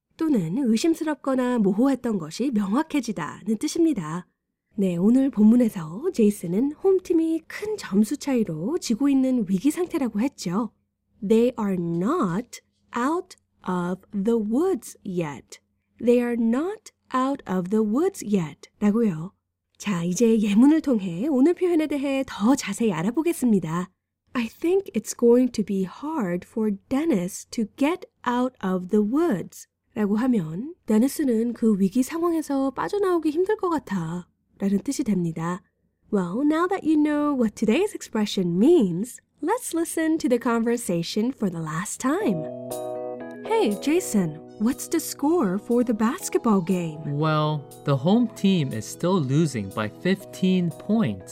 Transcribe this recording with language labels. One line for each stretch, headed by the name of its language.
Korean: 또는 의심스럽거나 모호했던 것이 명확해지다는 뜻입니다. 네, 오늘 본문에서 제이슨은 홈팀이 큰 점수 차이로 지고 있는 위기 상태라고 했죠.
English: They are not out of the woods yet. They are not out of the woods yet.
Korean: 라고요. 자, 이제 예문을 통해 오늘 표현에 대해 더 자세히 알아보겠습니다.
English: I think it's going to be hard for Dennis to get out of the woods.
Korean: 라고 하면 데니스는 그 위기 상황에서 빠져나오기 힘들 것 같아 라는 뜻이 됩니다.
English: Well, now that you know what today's expression means, let's listen to the conversation for the last time. Hey, Jason, what's the score for the basketball game? Well, the home team is still losing by 15 points.